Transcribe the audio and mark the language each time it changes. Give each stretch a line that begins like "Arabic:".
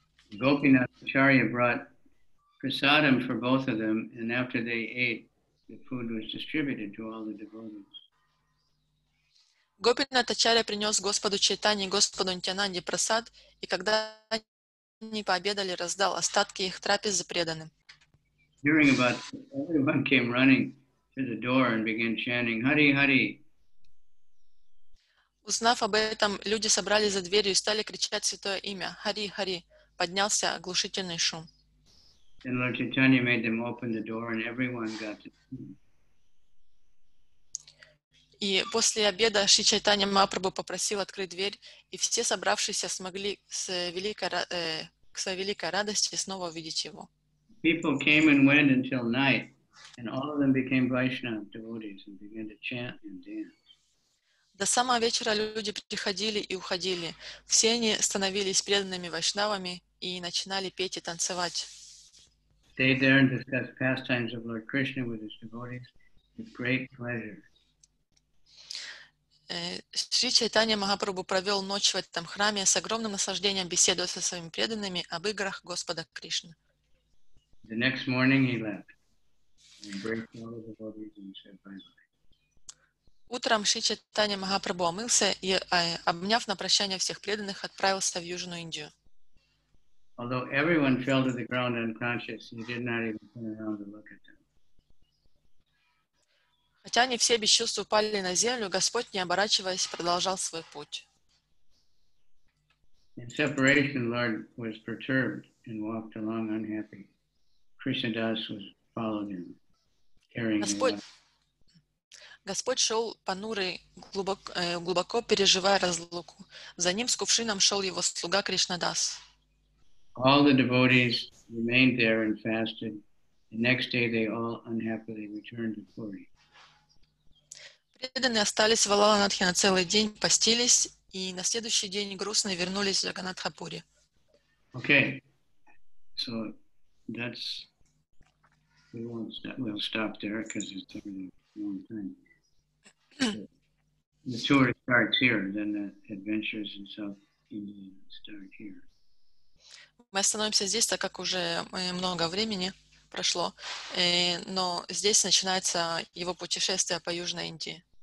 Russian: Гопинат Ачарья принес прасадам для обоих, и после того, как они ели,
English: the food was distributed to all the devotees.
Russian: Гопинат Ачарья принес Господу Чайтанье и Господу Нитьянанде прасад, и когда они пообедали, раздал остатки их трапезы преданным.
English: Hearing about it, everyone came running to the door and began chanting, Hari, Hari,
Russian: Узнав об этом, люди собрались за дверью и стали кричать святое имя. Хари, Хари. Поднялся оглушительный шум.
English: And Lord Chaitanya made them open the door and everyone got to see.
Russian: И после обеда Шри Чайтанья Махапрабху попросил открыть дверь, и все собравшиеся смогли к своей великой радости снова увидеть его.
English: People came and went until night, and all of them became Vaishnava devotees and began to chant and dance.
Russian: До самого вечера люди приходили и уходили. Все они становились преданными вайшнавами и начинали петь и танцевать.
English: Stayed there and discussed pastimes of Lord Krishna with his devotees with great pleasure.
Russian: Шри Чайтанья Махапрабху провел ночь в этом храме с огромным наслаждением беседуя со своими преданными об играх Господа Кришны.
English: The next morning he left and embraced all the devotees and said bye-bye.
Russian: Утром Шри Чайтанья Махапрабху омылся и, обняв на прощание всех преданных, отправился в Южную Индию.
English: Although everyone fell to the ground unconscious, he did not even turn around to look at them.
Russian: Хотя они все без чувств упали на землю, Господь, не оборачиваясь, продолжал свой путь.
English: In separation, Lord was perturbed and walked along unhappy. Krishna Das was following him, carrying
Russian: Господь шел понурый, глубоко переживая разлуку. За ним с кувшином шел его слуга Кришнадас.
English: All the devotees remained there and fasted. The next day they all unhappily returned to Puri.
Russian: Преданные остались в Валаланадхе на целый день, постились, и на следующий день грустно вернулись в Джаганатхапури.
English: Okay. So that's... We'll stop there because it's taking a long time. The tour starts here, then the adventures in South India start here.
Russian: Мы остановимся здесь, так как уже много времени прошло, но здесь начинается его путешествие по Южной Индии.